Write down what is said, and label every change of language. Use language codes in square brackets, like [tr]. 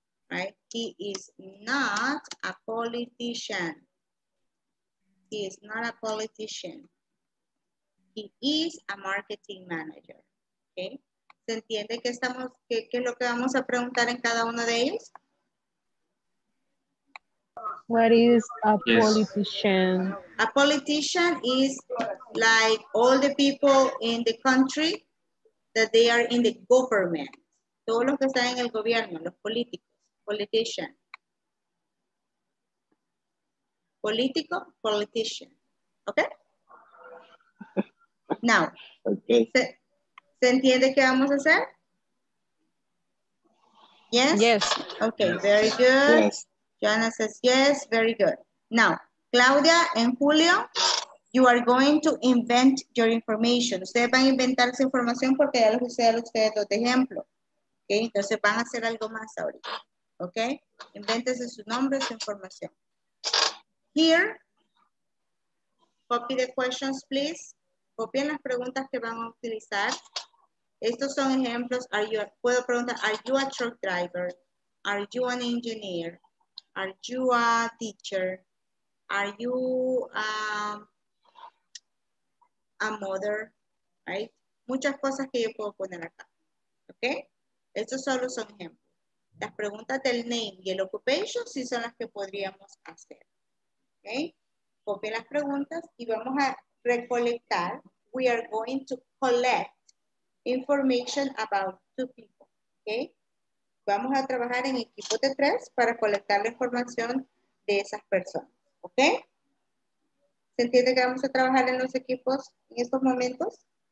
[en] Right? He is not a politician. He is not a politician. He is a marketing manager. Okay? [es] ¿Se entiende qué estamos, qué es lo que vamos a preguntar en cada uno de ellos? [en] What is a politician? A politician is like all the people in the country that they are in the government. [es] Todos los que están en el gobierno, los políticos. [en] Politician. Político, politician. Okay? Now. Okay. [es] ¿Se entiende qué vamos a hacer? [en] Yes? Yes. Okay, yes. Very good. Yes. Joanna says yes, very good. Now, Claudia and Julio, you are going to invent your information. [es] Ustedes van a inventar su información porque ya les usé a ustedes dos de ejemplo. Okay, entonces van a hacer algo más ahorita. [en] Okay, [es] invéntese su nombre, su información. [en] Here, copy the questions, please. [es] Copien las preguntas que van a utilizar. Estos son ejemplos. Puedo preguntar, [en] are you a truck driver? Are you an engineer? Are you a teacher? Are you a mother? Right? [es] Muchas cosas que yo puedo poner acá. Okay? Estos solo son ejemplos. Las preguntas del name y el occupation sí son las que podríamos hacer. Okay? Copie las preguntas y vamos a recolectar. [en] We are going to collect information about two people. Okay? [es] Vamos a trabajar en equipos de tres para colectar la información de esas personas. ¿Ok? ¿Se entiende que vamos a trabajar en los equipos en estos momentos?